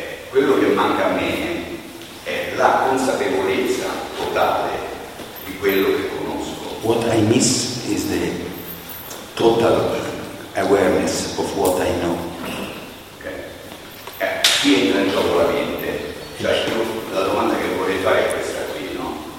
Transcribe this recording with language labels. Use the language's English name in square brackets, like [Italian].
[Italian] Quello che manca a me è la consapevolezza totale di quello che conosco. [English] What I miss is the total awareness of what I know. [Italian] Okay. Qui entra in gioco la mente. Cioè, la domanda che vorrei fare è questa qui, no?